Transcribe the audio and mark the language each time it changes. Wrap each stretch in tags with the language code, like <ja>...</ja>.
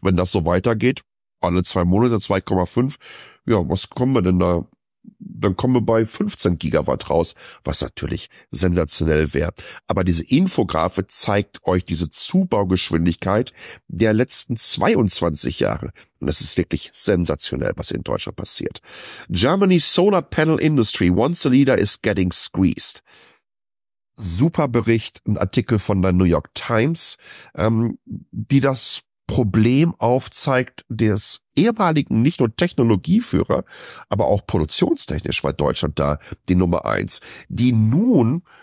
<de>Wenn das so weitergeht, alle zwei Monate 2,5, ja, was kommen wir denn da? Dann kommen wir bei 15 Gigawatt raus, was natürlich sensationell wäre. Aber diese Infografik zeigt euch diese Zubaugeschwindigkeit der letzten 22 Jahre. Und das ist wirklich sensationell, was in Deutschland passiert.</de> <en>Germany's solar panel industry, once a leader, is getting squeezed.</en> <de>Super Bericht, ein Artikel von der New York Times, die das Problem aufzeigt des ehemaligen nicht nur Technologieführer, aber auch produktionstechnisch war Deutschland da die Nummer eins, die nun</de>